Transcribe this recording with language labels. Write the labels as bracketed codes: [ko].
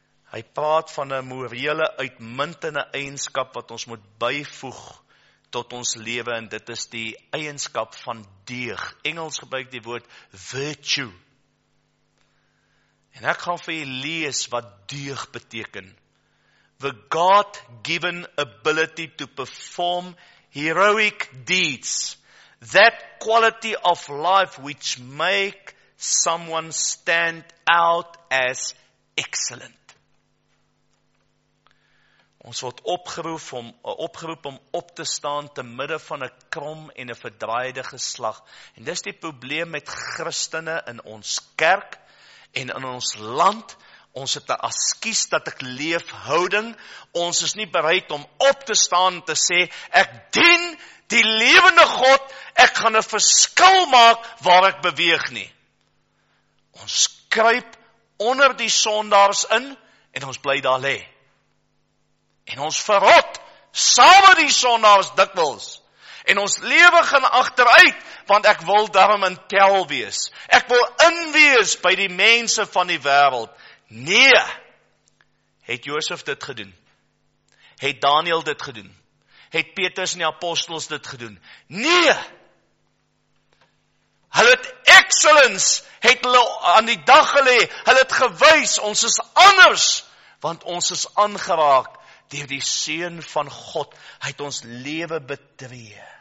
[af] Hy praat van 'n morele uitmuntende eienskap wat ons moet byvoeg tot ons lewe, en dit is die eienskap van deeg. Engels gebruik die woord virtue. En ek gaan vir jy lees wat deug beteken. [en] The God-given ability to perform heroic deeds. That quality of life which make someone stand out as excellent. [af] Ons word opgeroep om op te staan te midde van 'n krom en 'n verdraaide geslag. En dis die probleem met Christene in ons kerk, en in ons land, ons het 'n askies dat ek leef houding, ons is nie bereid om op te staan en te sê, ek dien die lewende God, ek gaan 'n verskil maak waar ek beweeg nie. Ons kruip onder die sondaars in, en ons bly daar lê. En ons verrot, saam met die sondaars dikwels. En ons lewe gaan agteruit, want ek wil daarom in tel wees. Ek wil inwees by die mense van die wêreld. Nee, het Josef dit gedoen? Het Daniel dit gedoen? Het Petrus en die apostels dit gedoen? Nee, hulle het excellence, het hulle aan die dag gelê, hulle het gewys, ons is anders, want ons is aangeraak deur die Seun van God, hy het ons lewe betree.